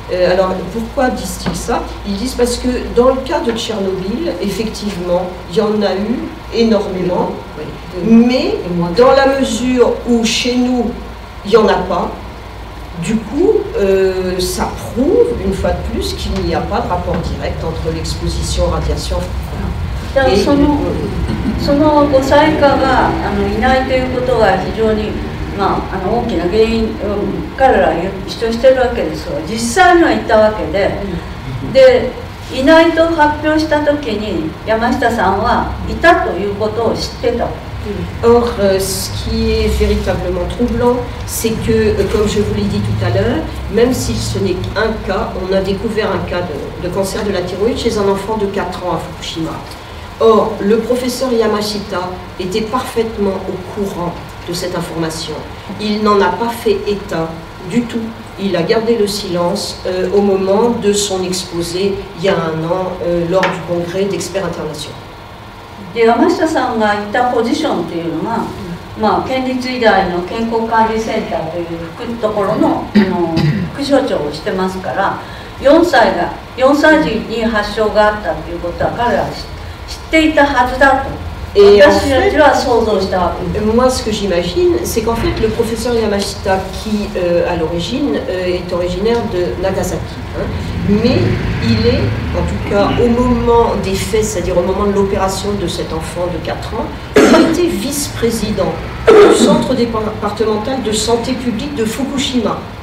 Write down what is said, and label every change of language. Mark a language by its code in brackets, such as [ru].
[fr] Alors, pourquoi disent-ils ça? Ils disent parce que dans le cas de Tchernobyl, effectivement, il y en a eu énormément, mais dans la mesure où chez nous, il n'y en a pas, du coup, ça prouve, une fois de plus, qu'il n'y a pas de rapport direct entre l'exposition aux radiations. [ja] その5歳以下がいないということが非常に、まあ、大きな原因を彼らは主張しているわけですが、実際にはいたわけで、でいないと発表したときに山下さんはいたということを知ってた。 [fr] Or, ce qui est véritablement troublant, c'est que, comme je vous l'ai dit tout à l'heure, même si ce n'est qu'un cas, on a découvert un cas de cancer de la thyroïde chez un enfant de 4 ans à Fukushima. Or, le professeur Yamashita était parfaitement au courant de cette information. Il n'en a pas fait état du tout. Il a gardé le silence au moment de son exposé il y a un an lors du congrès d'experts internationaux. [ja] で山下さんがいたポジションというのは、まあ、県立医大の健康管理センターというところの、副所長をしてますから、4歳児に発症があったということは彼らは知っていたはずだと私たちは想像したわけです。 [fr] Moi, ce que j'imagine, c'est qu'en fait, le professeur Yamashita, qui, à l'origine, est originaire de Nagasaki, hein, mais il est, en tout cas, au moment des faits, c'est-à-dire au moment de l'opération de cet enfant de 4 ans, il était vice-président du centre départemental de santé publique de Fukushima.